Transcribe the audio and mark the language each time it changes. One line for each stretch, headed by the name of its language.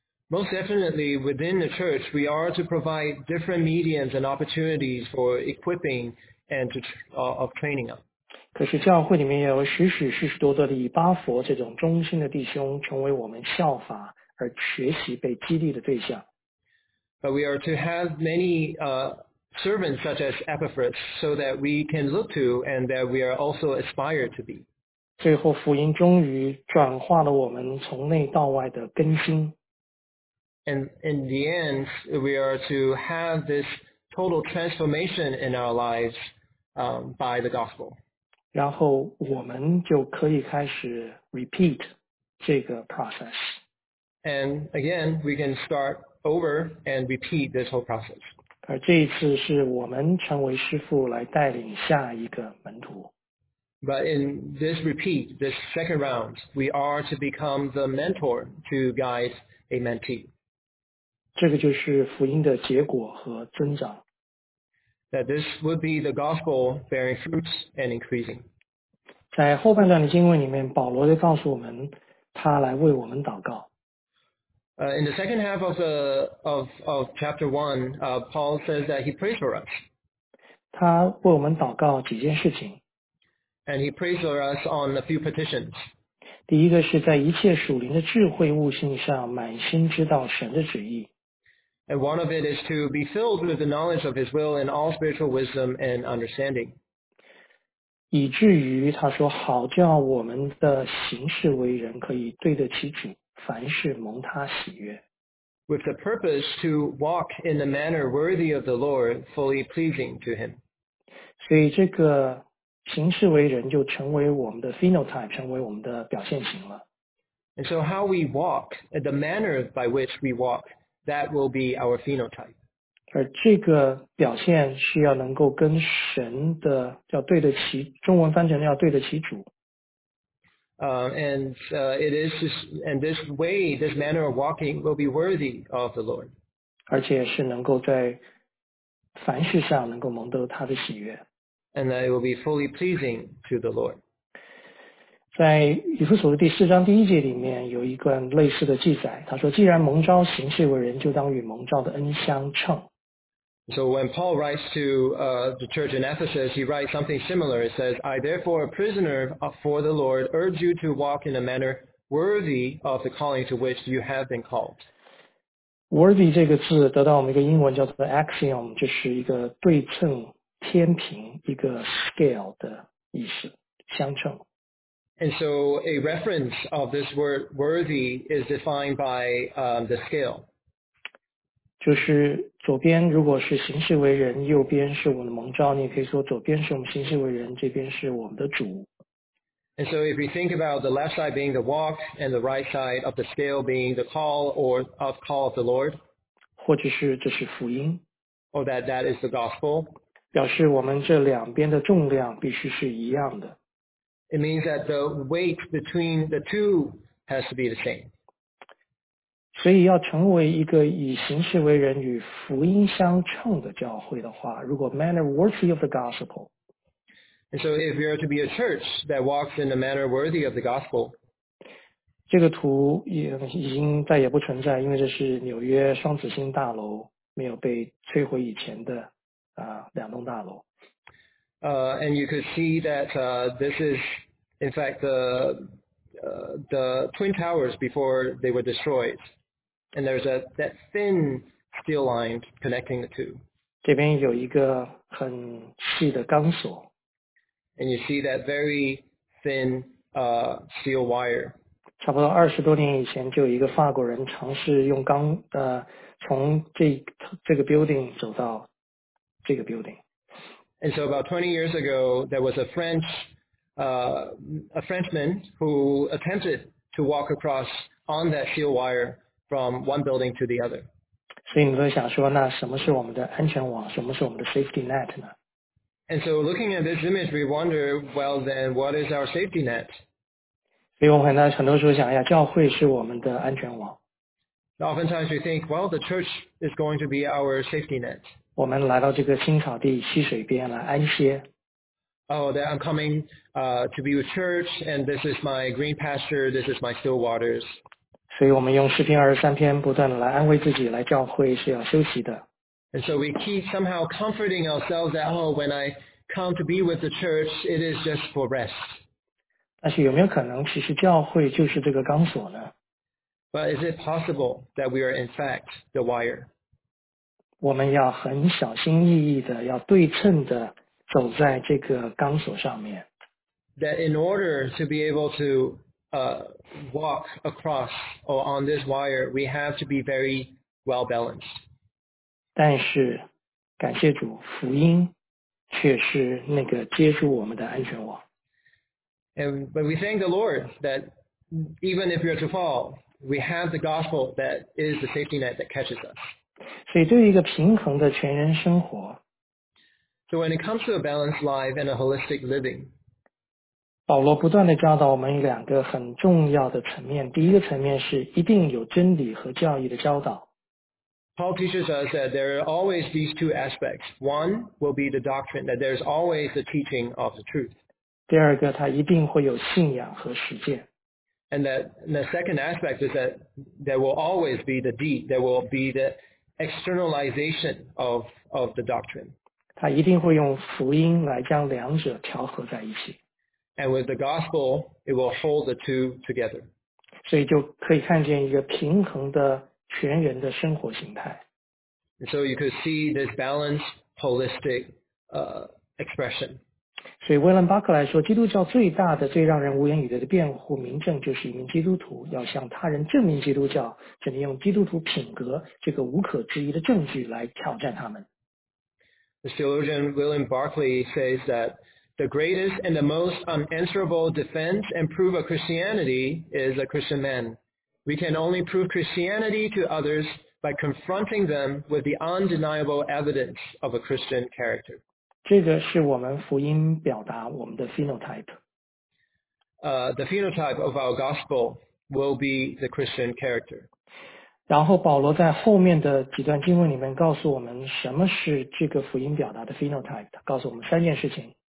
English: Most definitely, within the church, we are to provide different mediums and opportunities for equipping and of training up.
Chinese: 可是教会里面有许许多多的以巴佛这种忠心的弟兄成为我们效法而学习被激励的对象。
English: But we are to have many, servants such as Epaphras, so that we can look to and that we are also aspired to be.
Chinese: 最后福音终于转化了我们从内到外的更新。
English: And in the end, we are to have this total transformation in our lives, by the gospel.
Chinese: 然后我们就可以开始 repeat 这个 process.
English: And again, we can start over and repeat this whole process.
Chinese: 而这一次是我们成为师父来带领下一个门徒。
English: But in this repeat, this second round, we are to become the mentor to guide a mentee.
Chinese: 这个就是福音的结果和增长。
English: That this would be the gospel bearing fruits and increasing.
Chinese: 在后半段的经文里面，保罗就告诉我们，他来为我们祷告。
English: In the second half of chapter 1, Paul says that he prays for us.
Chinese: 他为我们祷告几件事情。
English: And he prays for us on a few petitions.
Chinese: 第一个是在一切属灵的智慧悟性上满心知道神的旨意。
English: And one of it is to be filled with the knowledge of his will and all spiritual wisdom and understanding.
Chinese: 以至于他说好叫我们的行事为人可以对得起主。凡事蒙他喜悦。
English: With the purpose to walk in the manner worthy of the Lord, fully pleasing to him.
Chinese: 所以这个行事为人就成为我们的 phenotype, 成为我们的表现型了。
English: And so how we walk, the manner by which we walk, that will be our phenotype.
Chinese: 而这个表现是要能够跟神的要对得起，中文翻成要对得起主。
English: And this way, this manner of walking will be worthy of the Lord.
Chinese: 而且是能够在凡事上能够蒙得他的喜悦。
English: And that it will be fully pleasing to the Lord.
Chinese: 在以弗所书第四章第一节里面有一段类似的记载，他说：“既然蒙召行事为人，就当与蒙召的恩相称。”
English: So when Paul writes to the church in Ephesus, he writes something similar. It says, I therefore, a prisoner for the Lord, urge you to walk in a manner worthy of the calling to which you have been called.
Chinese: Worthy 这个字得到我们一个英文叫做 axiom, 就是一个对称天平一个 scale 的意思相称。
English: And so a reference of this word worthy is defined by the scale.
Chinese: 就是左边如果是行事为人，右边是我们的蒙召，你可以说左边是我们行事为人，这边是我们的主。
English: And so if we think about the left side being the walk and the right side of the scale being the call or of call of the Lord,
Chinese: 或者是这是福音
English: or that is the gospel,
Chinese: 表示我们这两边的重量必须是一样的。
English: It means that the weight between the two has to be the same.
Chinese: 所以要成为一个以行事为人与福音相称的教会的话，如果
English: manner worthy of the gospel. And so if you are to be a church that walks in a manner worthy of the gospel,
Chinese: 这个图已经再也不存在，因为这是纽约双子星大楼没有被摧毁以前的两栋大楼。
English: And you could see that this is, in fact, the Twin Towers before they were destroyed. And there's that thin steel line connecting the two.
Chinese: 这边有一个很细的钢索。
English: And you see that very thin steel wire.
Chinese: 差不多二十多年以前，就有一个法国人尝试用钢从这个 building 走到这个 building。
English: And so about 20 years ago, there was a Frenchman who attempted to walk across on that steel wire from one building to the other.
Chinese: 所以你会想说，那什么是我们的安全网，什么是我们的 safety net 呢？
English: And so looking at this image, we wonder, well then, what is our safety net?
Chinese: 所以我们很多时候想，教会是我们的安全网。
English: Oftentimes we think, well, the church is going to be our safety net.
Chinese: 我们来到这个青草地溪水边来安歇。
English: Oh, that I'm coming to be with church, and this is my green pasture, this is my still waters.
Chinese: 所以我们用诗篇二十三篇不断地来安慰自己，来教会是要休息的。
English: And so we keep somehow comforting ourselves that, oh, when I come to be with the church, it is just for rest.
Chinese: 但是有没有可能，其实教会就是这个钢索呢？
English: But is it possible that we are in fact the wire?
Chinese: 我们要很小心翼翼的，要对称的走在这个钢索上面。
English: That in order to be able to walk across or on this wire, we have to be very well balanced.
Chinese: 但是，感谢主，福音却是那个接住我们的安全网。
English: And but we thank the Lord that even if we are to fall. We have the gospel that is the safety net that catches us.
Chinese: 所以对于一个平衡的全人生活，
English: So when it comes to a balanced life and a holistic living,
Chinese: 保罗不断地教导我们两个很重要的层面。第一个层面是一定有真理和教义的教导。
English: Paul teaches us that there are always these two aspects. One will be the doctrine, that there's always the teaching of the truth.
Chinese: 第二个，他一定会有信仰和实践。
English: And the second aspect is that there will always be the deed, there will be the externalization of the doctrine.
Chinese: 他一定会用福音来将两者调和在一起。
English: And with the gospel, it will hold the two together.
Chinese: 所以就可以看见一个平衡的全人的生活形态。
English: So you could see this balanced, holistic expression.
Chinese: 所以威廉巴克来说，基督教最大的、最让人无言以对的辩护明证，就是一名基督徒要向他人证明基督教，只能用基督徒品格这个无可置疑的证据来挑战他们。
English: The theologian William Barclay says that the greatest and the most unanswerable defense and proof of Christianity is a Christian man. We can only prove Christianity to others by confronting them with the undeniable evidence of a Christian character.
Chinese: 这个是我们福音表达我们的 phenotype。
English: The phenotype of our gospel will be the Christian character.
Chinese: 然后保罗在后面的几段经文里面告诉我们什么是这个福音表达的 phenotype， 告诉我们三件事情。